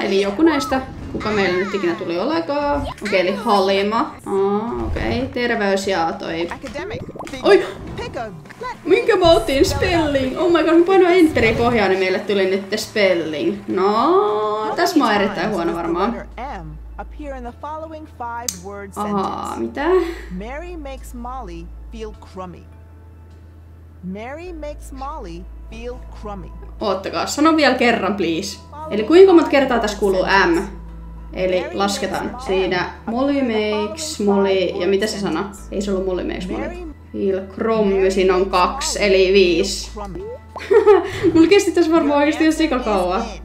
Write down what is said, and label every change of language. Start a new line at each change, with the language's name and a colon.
Finnish: Eli joku näistä, kuka meillä nyt ikinä tuli olekaan. Okei, eli Halima. Okei. Terveys ja toi... Oi! Minkä mä otin? Spelling!
English: Oh my god,
Finnish: mä painoin enteri pohjaan, niin meille tuli nyt spelling. No, Tässä mä oon erittäin huono varmaan.
English: Appear in the following five word sentence.
Finnish: Mitä?
English: Mary makes Molly feel crummy. Mary makes Molly feel crummy.
Finnish: Oottakaa, sano vielä kerran, please. Eli kuinka monta kertaa tässä kuuluu M? Eli lasketaan. Siinä
English: Molly makes Molly,
Finnish: ja mitä se sana? Ei se ollut
English: Molly makes Molly. Feel crummy,
Finnish: siinä on 2, eli 5. Mulla kesti tässä varmaan oikeasti jo sika kauan.